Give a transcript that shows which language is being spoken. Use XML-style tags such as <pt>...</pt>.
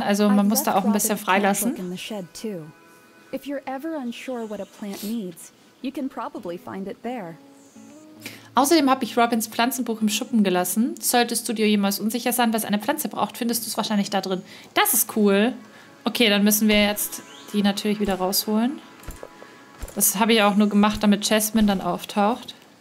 <de>Also man muss da auch ein bisschen freilassen.</de> <en>If you're ever unsure what a plant needs, you can probably find it there.</en> <de>Außerdem habe ich Robins Pflanzenbuch im Schuppen gelassen. Solltest du dir jemals unsicher sein, was eine Pflanze braucht, findest du es wahrscheinlich da drin. Das ist cool. Okay, dann müssen wir jetzt die natürlich wieder rausholen. Das habe ich auch nur gemacht, damit Jasmine dann auftaucht.</de>